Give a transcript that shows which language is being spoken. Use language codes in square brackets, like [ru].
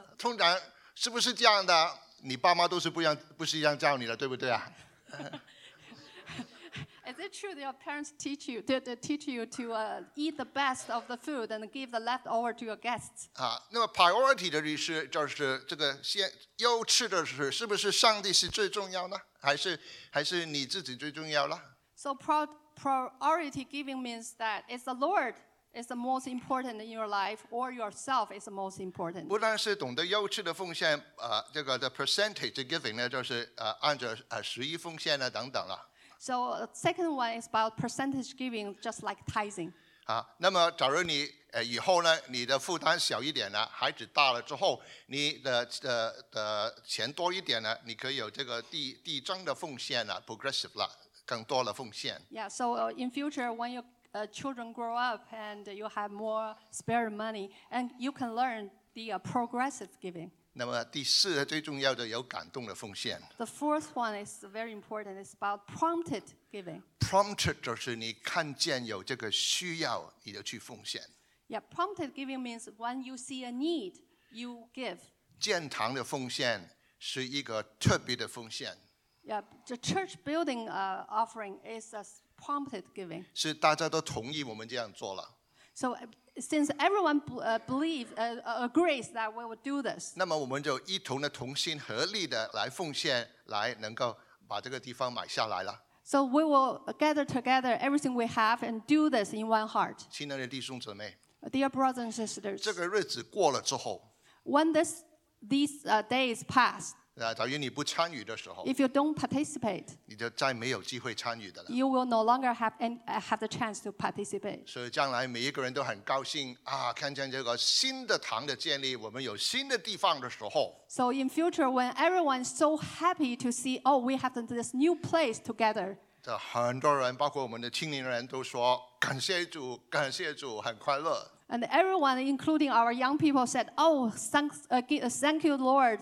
[zh] 通常是不是这样的？你爸妈都是不是一样教你的，对不对啊 [en] ？Is it true that your parents teach you to teach you to eat the best of the food and give the leftover to your guests? [zh] 那么 priority 的意思就是这个先优次的是，是不是上帝是最重要呢？还是你自己最重要了 [en] ？So priority giving means that it's the Lord is the most important in your life, or yourself is the most important. [zh] 不但是懂得优次的奉献，这个的 percentage giving 呢，就是按照十一奉献呢等等了。 [en] So the second one is about percentage giving, just like tithing. [zh] 那么假如你以后呢，你的负担小一点了，孩子大了之后，你的钱多一点了，你可以有这个递增的奉献了 ，progressive 了，更多的奉献。 [en] Yeah. So in future, when your children grow up and you have more spare money, and you can learn the progressive giving. [zh] 那么第四个最重要的有感动的奉献。 [en] The fourth one is very important. It's about prompted giving. [zh] Prompted 就是你看见有这个需要，你就去奉献。 [en] Yeah, prompted giving means when you see a need, you give. [zh] 建堂的奉献是一个特别的奉献。 [en] Yeah, the church building offering is a prompted giving. [zh] 是大家都同意我们这样做了。 [en] So. Since everyone believes agrees that we will do this, [zh] 那么我们就一同的同心合力的来奉献，来能够把这个地方买下来了。 [en] So we will gather together everything we have and do this in one heart. [zh] 亲爱的弟兄姊妹 [en] ，Dear brothers and sisters, [zh] 这个日子过了之后 [en] ，When these days pass, [zh] 假如你不参与的时候 [en] ，If you don't participate, [zh] 你就再没有机会参与的了。 [en] You will no longer have the chance to participate. [zh] 所以将来每一个人都很高兴啊，看见这个新的堂的建立，我们有新的地方的时候。 [en] So in future, when everyone is so happy to see, oh, we have this new place together. [zh] 这很多人，包括我们的青年人，都说感谢主，感谢主，很快乐。 [en] And everyone, including our young people, said, "Oh, thank you, Lord.